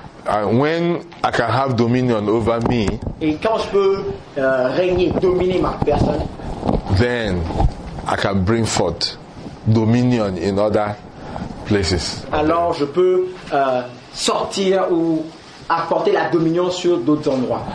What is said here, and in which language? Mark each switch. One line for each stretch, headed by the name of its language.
English: And when I can have dominion over me,
French: et quand je peux régner, dominer ma personne,
English: then I can bring forth dominion in other places.
French: Alors je peux sortir ou apporter la dominion sur d'autres endroits.